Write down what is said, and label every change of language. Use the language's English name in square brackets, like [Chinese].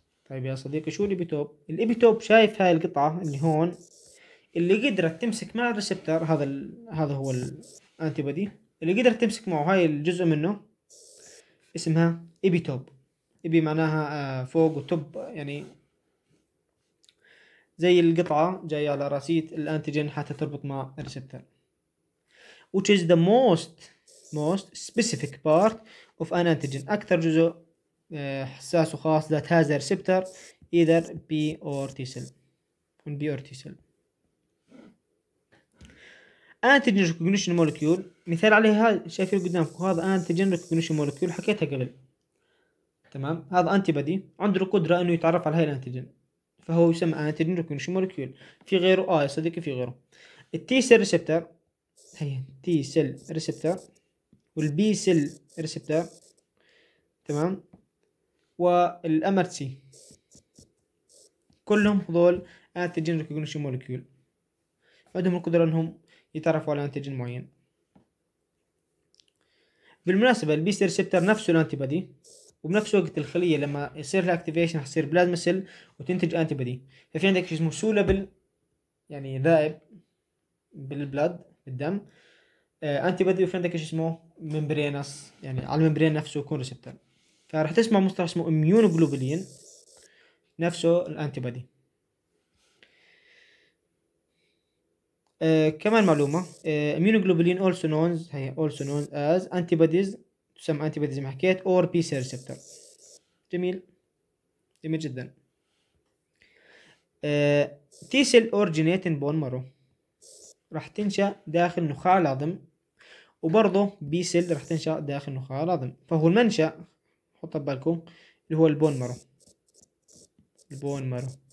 [Arabic] طيب يا صديقي شو الإبيتوب؟ الإبيتوب شايف هاي القطعة اللي هون اللي قدرت تمسك مع الريسبتر، هذا هو الأنتيبادي اللي قدرت تمسك معه هاي الجزء منه اسمها إبيتوب. إبي معناها فوق وتوب، يعني زي القطعة جاية على رأسية الأنتيجين حتى تربط مع الريسبتر. [English] Which is the most specific part of an antigen، [Arabic] أكثر جزء حساس وخاص ذات هذا الريسبتر [English] either B or T cell on B or T cell. [Arabic] Antigen recognition molecule مثال عليها شايفين قدامكم، هذا antigen recognition molecule حكيتها قبل، تمام. هذا antibody عنده القدرة انه يتعرف على هاي الانتيجين فهو يسمى antigen recognition molecule. في غيره يا صديقي في غيره ال T cell receptor، هي T cell receptor وال B cell receptor، تمام، والامرتسي كلهم هذول antigen recognition molecule عندهم القدرة انهم يتعرفوا على انتيجين معين. بالمناسبة البي سي ريسبتر نفسه الانتيبادي، وبنفس وقت الخلية لما يصير لها اكتيفيشن حصير بلازما سيل وتنتج انتيبادي. ففي عندك شيء اسمه سولابل، يعني ذائب بالبلاد بالدم، انتيبادي. وفي عندك شيء اسمه ممبرينس، يعني على الممبرين نفسه يكون ريسبتر. فرح تسمع مصطلح اسمه اميونوغلوبولين نفسه الانتيبادي. كمان معلومة، [English] immunoglobulin also known هي also known as antibodies، تسمى antibodies [Arabic] ما حكيت، [English] or B cell receptor. [Arabic] جميل، جميل جدا. [English] T cell originating bone marrow [Arabic] راح تنشأ داخل نخاع العظم، وبرضه B cell راح تنشأ داخل نخاع العظم. فهو المنشأ حط بالكم اللي هو البone marrow، البone marrow.